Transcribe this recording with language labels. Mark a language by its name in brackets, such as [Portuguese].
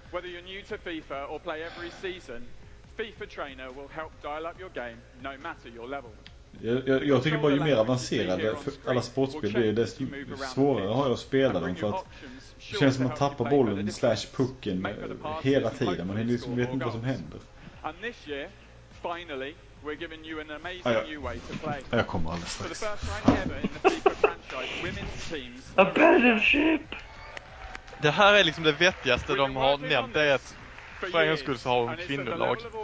[English] Whether you're new to FIFA or play every season, FIFA Trainer will help dial up your game no matter your level. [Swedish] Jag tycker bara ju mer avancerade alla sportspel blir, desto svårare har jag att spela dem, för att det känns som att tappa bollen slash pucken hela tiden. Man liksom vet inte vad som händer. [English] And this year, finally, we're giving you an amazing new way to play. [Swedish] Jag kommer alldeles strax. [English] A battleship! [Swedish] Det här är liksom det vettigaste de har nämnt, det är att för en gångs skull så har de kvinnolag.